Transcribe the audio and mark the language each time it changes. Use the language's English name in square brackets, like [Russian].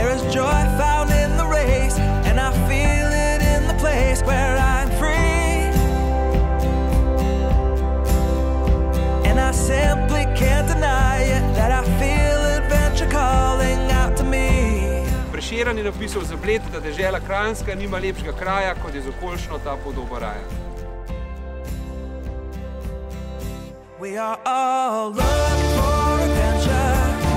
[English] Joy found in the race, and I feel it in the place where I'm free. And I simply can't deny it, that I feel adventure calling out to me. [Slovenian] Preširan je napisal za Bled, da dežela Kranjska nima lepšega kraja, kot je z okolično ta podoba raja. [English] We are all looking for adventure.